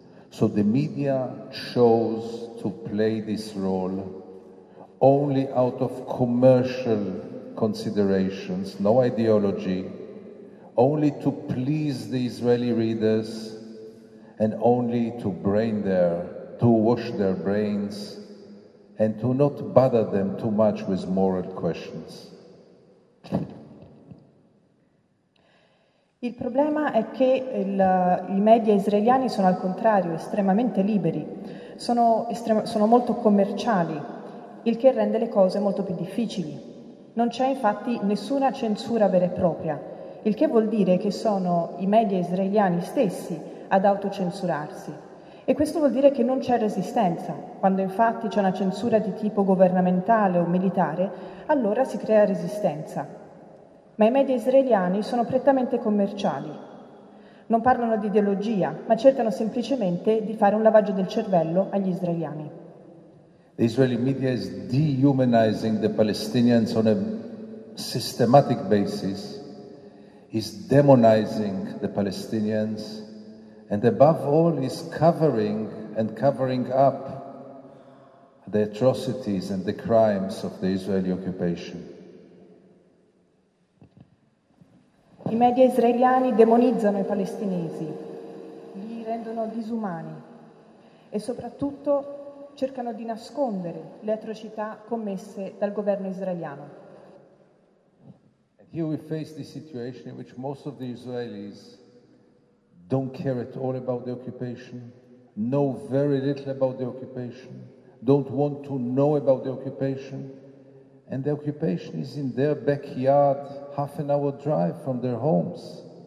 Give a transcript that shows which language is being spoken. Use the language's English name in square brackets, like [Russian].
[English] So the media chose to play this role only out of commercial considerations, no ideology, only to please the Israeli readers and only to wash their brains and to not bother them too much with moral questions. [Italian] Il problema è che i media israeliani sono al contrario, estremamente liberi, sono molto commerciali, il che rende le cose molto più difficili. Non c'è infatti nessuna censura vera e propria, il che vuol dire che sono i media israeliani stessi ad autocensurarsi. E questo vuol dire che non c'è resistenza. Quando infatti c'è una censura di tipo governamentale o militare, allora si crea resistenza. Ma i media israeliani sono prettamente commerciali. Non parlano di ideologia, ma cercano semplicemente di fare un lavaggio del cervello agli israeliani. [English] The Israeli media is dehumanizing the Palestinians on a systematic basis, is demonizing the Palestinians, and above all is covering up the atrocities and the crimes of the Israeli occupation. [Italian] I media israeliani demonizzano i palestinesi, li rendono disumani e soprattutto cercano di nascondere le atrocità commesse dal governo israeliano. [English] And here we face the situation in which most of the Israelis don't care at all about the occupation, know very little about the occupation, don't want to know about the occupation, and the occupation is in their backyard, half an hour drive from their homes.